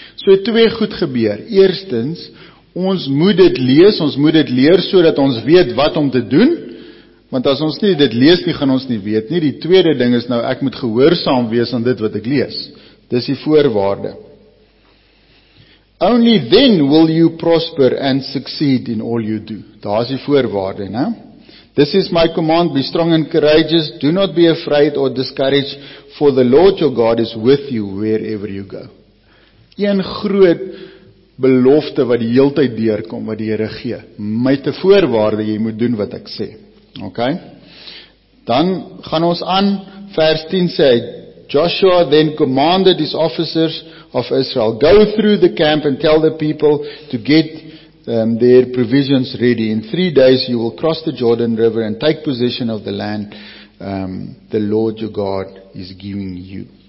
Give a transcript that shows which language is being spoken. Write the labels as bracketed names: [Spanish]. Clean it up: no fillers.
[Afrikaans] So twee goed gebeur, eerstens, ons moet dit lees, ons moet dit leer, so dat ons weet wat om te doen, want as ons nie dit lees nie, gaan ons nie weet nie, die tweede ding is nou, ek moet gehoorsaam wees aan dit wat ek lees, dis die voorwaarde. [English] Only then will you prosper and succeed in all you do, [Afrikaans] daar is die voorwaarde, ne? [English] This is my command, be strong and courageous, do not be afraid or discouraged, for the Lord your God is with you wherever you go. [Afrikaans] Een groot belofte wat die heel tyd deurkom, wat die Here gee, met die voorwaarde, jy moet doen wat ek sê. Ok, dan gaan ons aan, vers 10 sê, [English] Joshua then commanded his officers of Israel, go through the camp and tell the people to get their provisions ready. In 3 days you will cross the Jordan River and take possession of the land the Lord your God is giving you.